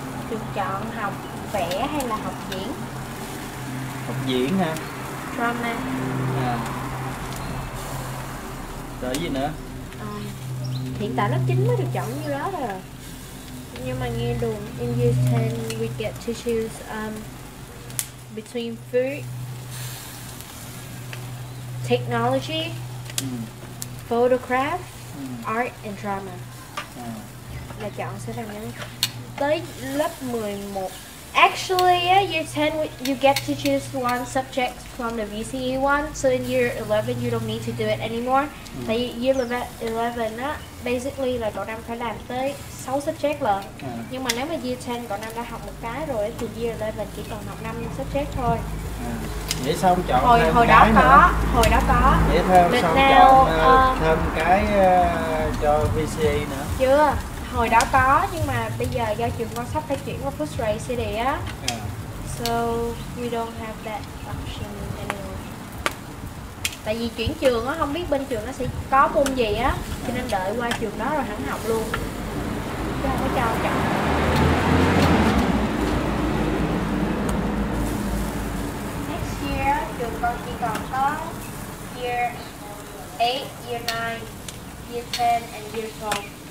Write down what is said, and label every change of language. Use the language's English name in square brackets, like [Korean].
[Vietnamese] Được chọn học vẽ hay là học diễn? Học diễn ha? [English] Drama. À. [Vietnamese] Rồi gì nữa? Hiện tại lớp 9 mới được chọn như đó rồi. Nhưng mà nghe đồn [English] in year 10 we get to choose between food, technology, photograph, art and drama. [Vietnamese] Là chọn sẽ là những tới lớp 11. [English] Actually year 10 you get to choose one subject from the VCE one, so in year 11 you don't need to do it anymore. [Vietnamese] Tại year 11 á, basically là cậu Nam phải làm tới 6 subject lận. Nhưng mà nếu mà year 10 cậu Nam đã học một cái rồi thì year 11 chỉ còn học 5 subject thôi. Vậy sao không chọn hồi, thêm hồi cái đó nữa? Hồi đó có. Vậy thôi không sao chọn thêm cái cho VCE nữa? Chưa. Hồi đó có, nhưng mà bây giờ do trường con sắp phải chuyển qua Phú Xuyên City á. [English] So, we don't have that option anymore. [Vietnamese] Tại vì chuyển trường á, không biết bên trường nó sẽ có môn gì á. Cho nên đợi qua trường đó rồi hẳn học luôn. Chứ không có cho chọn. [English] Next year, [Vietnamese] trường con chỉ còn có [English] year 8, year 9, year 10 and year 12.